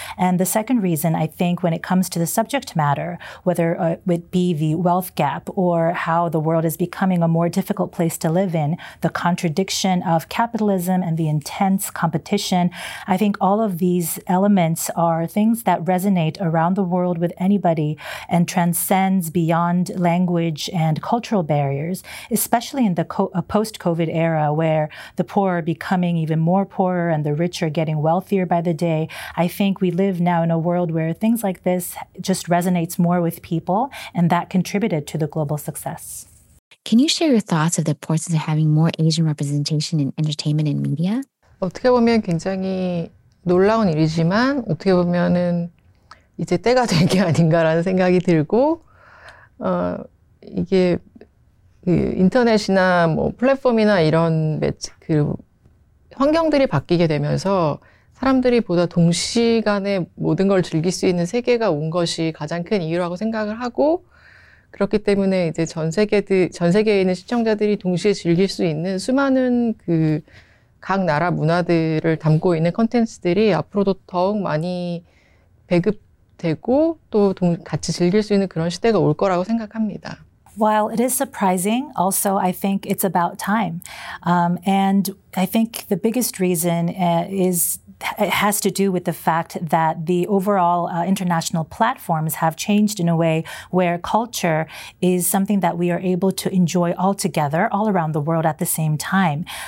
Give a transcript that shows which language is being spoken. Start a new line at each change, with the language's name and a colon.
English: And the second reason, I think, when it comes to the subject matter, whether it would be the wealth gap or how the world is becoming a more difficult place to live in, the contradiction of capitalism and the intense competition, I think all of these elements are things that resonate around the world with anybody and transcends beyond language and cultural barriers, especially in the post-COVID era where the poor are becoming even more poorer and the rich are getting wealthier by the day. I think we live now in a world where things like this just resonates more with people, and that contributed to the global success. Can you share your thoughts of the importance of having more Asian representation in entertainment and media?
Korean: 어떻게 보면 굉장히 놀라운 일이지만 어떻게 보면은 이제 때가 된 게 아닌가라는 생각이 들고 이게 그 인터넷이나 뭐 플랫폼이나 이런 매체 그 환경들이 바뀌게 되면서 사람들이 보다 동시간에 모든 걸 즐길 수 있는 세계가 온 것이 가장 큰 이유라고 생각을 하고 그렇기 때문에 이제 전 세계에 있는 시청자들이 동시에 즐길 수 있는 수많은 그 각 나라 문화들을 담고 있는 콘텐츠들이 앞으로도 더욱 많이 배급되고 또 같이 즐길 수 있는 그런 시대가 올 거라고 생각합니다.
English: While it is surprising, also I think it's about time. And I think the biggest reason is it has to do with the fact that the overall international platforms have changed in a way where culture is something that we are able to enjoy all together, all around the world at the same time.